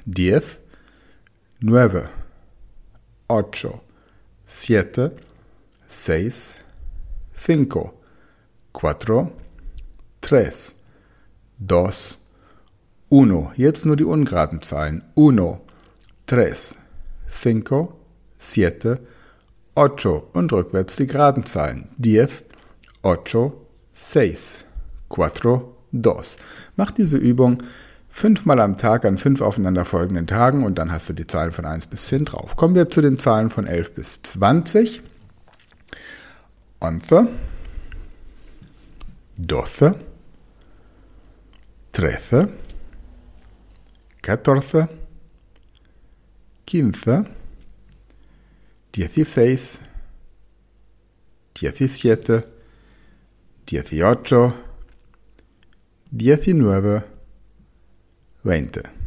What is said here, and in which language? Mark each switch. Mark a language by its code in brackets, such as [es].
[es] Diez, nueve, ocho, siete, seis, cinco, cuatro, tres, dos, uno. [de] Jetzt nur die ungeraden Zahlen. [es] Uno, tres, cinco, siete, ocho. [de] Und rückwärts die geraden Zahlen. [es] Diez, ocho, seis, cuatro, dos. [de] Mach diese Übung 5-mal am Tag an 5 aufeinanderfolgenden Tagen und dann hast du die Zahlen von 1 bis 10 drauf. Kommen wir zu den Zahlen von 11 bis 20. [es] Once, doce, trece, catorce, quince, dieciséis, diecisiete, dieciocho, diecinueve, 20.